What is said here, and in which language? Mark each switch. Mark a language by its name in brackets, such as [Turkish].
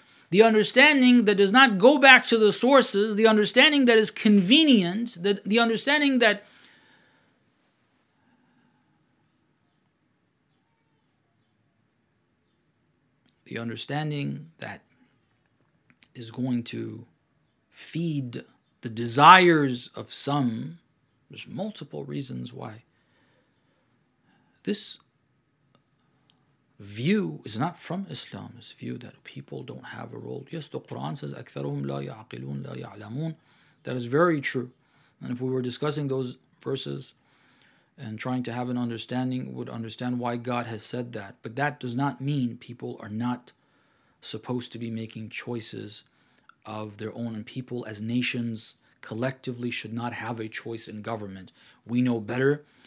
[English] the understanding that does not go back to the sources, the understanding that is convenient, the understanding that the understanding that is going to feed the desires of some. There's multiple reasons why this view is not from Islam, this view that people don't have a role. Yes, the Quran says, [Arabic] أَكْثَرُهُمْ لَا يَعْقِلُونَ لَا يَعْلَمُونَ. [English] That is very true. And if we were discussing those verses and trying to have an understanding, would understand why God has said that. But that does not mean people are not supposed to be making choices of their own. And people as nations collectively should not have a choice in government. We know better.